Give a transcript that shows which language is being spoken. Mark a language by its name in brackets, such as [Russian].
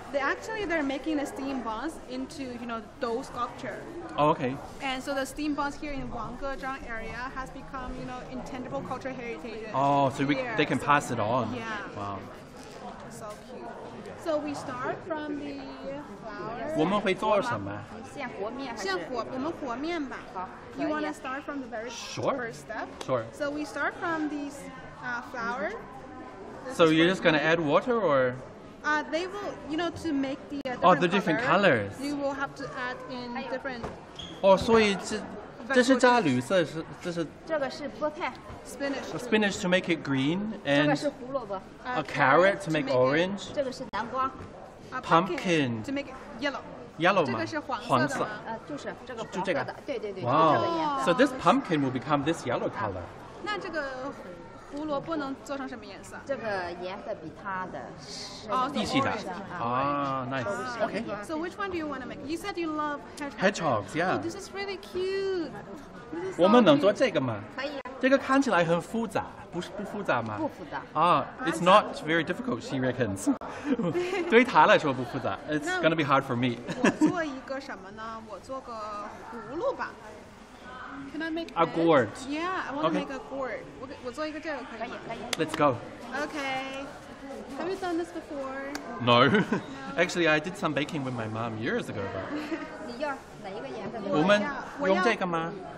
[English] They're making the steam buns into, you know, dough sculpture. Oh, okay. And so the steam buns here in Wanggezhang area has become, you know, intangible cultural heritage. Oh, so they can pass it on. Yeah. Wow. So cute. So we start from the flour. [Chinese] 我们会做什么？现和面吧。 [English] You want to start from the very first step? Sure. So we start from these flour. So you're just going to add water or? They will, you know, to make the different colors. You will have to add in different. Oh, so this is [Chinese] 加绿色是这是. 这个是菠菜. [English] Spinach. Spinach to make it green and. [Chinese] 这个是胡萝卜. [English] A carrot to make orange. [Chinese] 这个是南瓜. [English] Pumpkin to make it yellow. Yellow. [Chinese] 这个是黄色的吗? 黄色.就是这个黄色的.对对对. [English] Wow. [Chinese] 就这个颜色. [English] So this pumpkin will become this yellow color. [Chinese] 那这个. 胡萝卜能做成什么颜色？这个颜色比它的细的。哦，细的。啊，nice. [English] Okay. So which one do you want to make? You said you love hedgehogs. Hedgehogs, yeah. Oh, this is really cute. [Chinese] 我们能做这个吗？可以。这个看起来很复杂，不复杂吗？不复杂。 [English] Oh, it's not very difficult, she reckons. [Chinese] 对于她来说不复杂。 [English] It's gonna be hard for me. [Chinese] 我做一个什么呢？我做个葫芦吧。 [English] Can I make a gourd? Yeah, I want to make a gourd. [Chinese] 我做一个这个可以吗? [English] Let's go. Okay. Have you done this before? No. No. Actually, I did some baking with my mom years ago. [Chinese] 你要哪一个颜色？我们用这个吗？